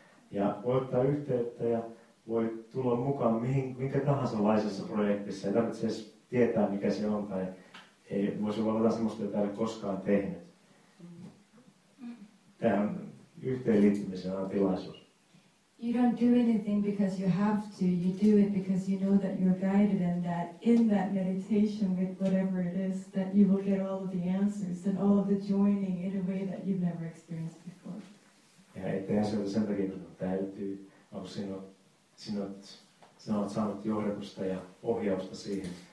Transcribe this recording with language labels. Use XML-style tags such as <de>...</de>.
<fi>Ja voi ottaa yhteyttä ja voi tulla mukaan minkä tahansa laisessa projektissa. Ei tarvitse edes tietää, mikä se on, tai ei voisi olla jotain sellaista, jota ei ole koskaan tehnyt. Tähän yhteenliittymiseen on tilaisuus.</fi> <en>You don't do anything because you have to. You do it because you know that you're guided and that in that meditation with whatever it is, that you will get all of the answers and all of the joining in a way that you've never experienced before.</en> <fi>Ja ettei asioita sen takia, että täytyy, kun sinä olet saanut johdatusta ja ohjausta siihen.</fi>